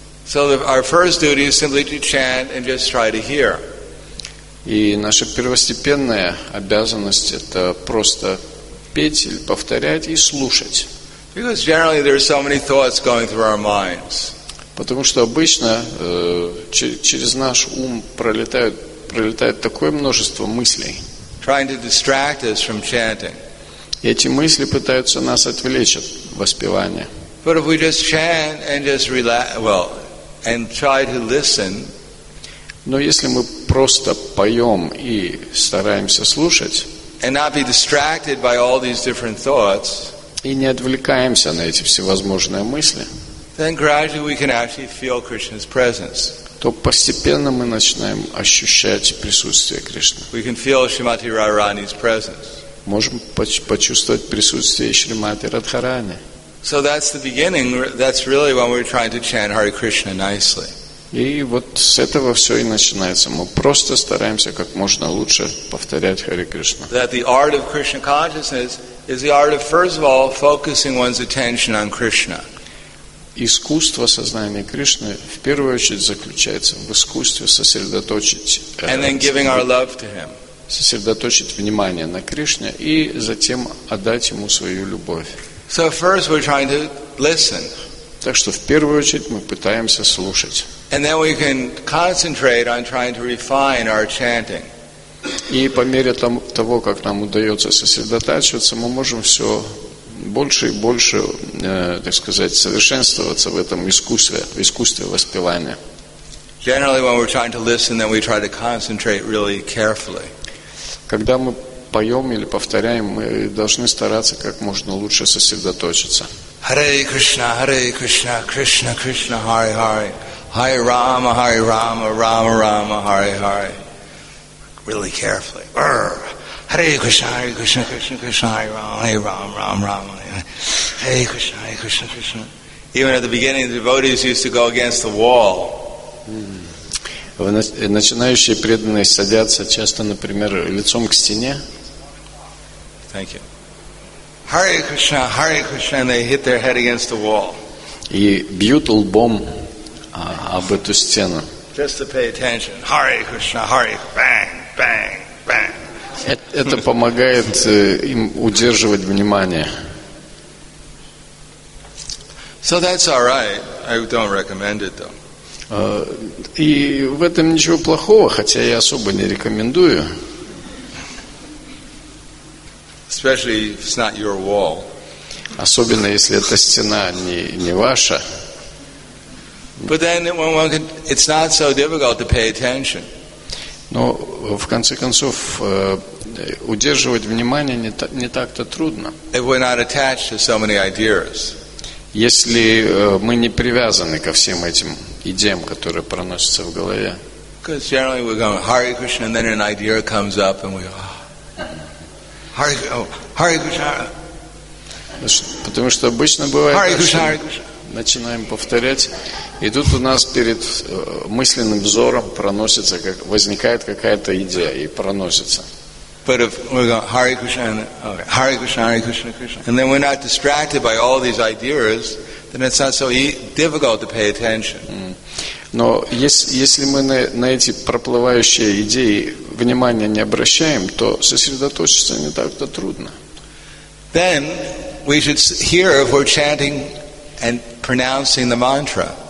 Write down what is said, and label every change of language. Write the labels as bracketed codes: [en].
[en] So our first duty is simply to chant and just try to hear. [ru] И наша первостепенная обязанность – это просто петь или повторять и слушать. [en] Because generally there are so many thoughts going through our minds. [ru] Потому что обычно через наш ум пролетает такое множество мыслей. [en] Trying to distract us from chanting. [ru] Эти мысли пытаются нас отвлечь от воспевания. [en] But if we just chant and just relax, well, and try to listen. [ru] Но если мы просто поем и стараемся слушать. [en] And not be distracted by all these different thoughts. [ru] И не отвлекаемся на эти всевозможные мысли, [en] then gradually we can actually feel Krishna's presence. [ru] То постепенно мы начинаем ощущать присутствие Кришны. [en] We can feel Shrimati Radharani's presence. [ru] Можем почувствовать присутствие Шримати Радхарани. [en] So that's the beginning, that's really when we're trying to chant Hare Krishna nicely. [ru] И вот с этого все и начинается. Мы просто стараемся как можно лучше повторять Харе Кришну. [en] That the art of Krishna consciousness is the art of, first of all, focusing one's attention on Krishna. [ru] Искусство сознания Кришны в первую очередь заключается в искусстве сосредоточить. [en] And then giving our love to him. [ru] Сосредоточить внимание на Кришне и затем отдать ему свою любовь. [en] So first we're trying to listen. [ru] Так что в первую очередь мы пытаемся слушать. [en] And then we can concentrate on trying to refine our chanting. [ru] И по мере того, как нам удается сосредотачиваться, мы можем все больше и больше, так сказать, совершенствоваться в этом искусстве, в искусстве воспевания. [en] Generally, when we're trying to listen, then we try to concentrate really carefully. [ru] Когда мы поем или повторяем, мы должны стараться как можно лучше сосредоточиться. [sa] Hare Krishna, Krishna Krishna, Hare Hare. Hare Rama, Hare Rama, Rama Rama, Hare Hare. [en] Really carefully. [sa] Hare Krishna, Krishna Krishna, Hare Rama, Hare Rama, Rama Rama. Hare Krishna, Krishna Krishna. [en] Even at the beginning, the devotees used to go against the wall. [ru] Начинающие преданные садятся часто, например, лицом к стене. [en] Thank you. Hare Krishna, and they hit their head against the wall. [ru] И бьют лбом об эту стену. [en] Just to pay attention. Hare Krishna, Hare, bang, bang, bang. [ru] Это помогает им удерживать внимание. [en] So that's all right. I don't recommend it, though. [ru] И в этом ничего плохого, хотя я особо не рекомендую. [en] Especially if it's not your wall. [ru] Особенно если эта стена не ваша. [en] But then when one can, it's not so difficult to pay attention. [ru] Но в конце концов удерживать внимание не так-то трудно. [en] If we're not attached to so many ideas. [ru] Если мы не привязаны ко всем этим идеям, которые проносятся в голове. [en] Because generally we're going Hare Krishna, and then an idea comes up, and we Hare Krishna. [ru] Потому что обычно бывает, начинаем повторять, и тут у нас перед мысленным взором проносится, как возникает какая-то идея и проносится. [en] But if we're going Hare Krishna, and then, okay, Hare Krishna, Hare Krishna, Krishna, and then we're not distracted by all these ideas, then it's not so difficult to pay attention. [ru] Но если мы на эти проплывающие идеи внимания не обращаем, то сосредоточиться не так-то трудно. [en] Then we should hear if we're chanting and pronouncing the mantra.